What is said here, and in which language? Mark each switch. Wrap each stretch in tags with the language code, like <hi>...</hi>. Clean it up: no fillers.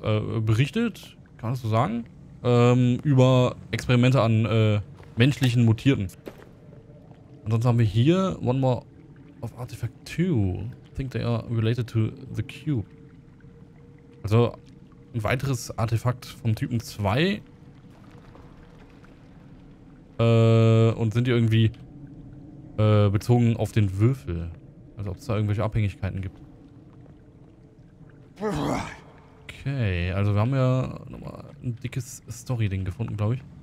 <de>Berichtet, kann man das so sagen? Über Experimente an menschlichen Mutierten. Ansonsten haben wir hier</de> <en>One More of Artifact 2. I think they are related to the Cube.</en> <de>Also ein weiteres Artefakt vom Typen 2. Und sind die irgendwie bezogen auf den Würfel? Also ob es da irgendwelche Abhängigkeiten gibt. Okay, also wir haben ja nochmal ein dickes Story-Ding gefunden, glaube ich.</de>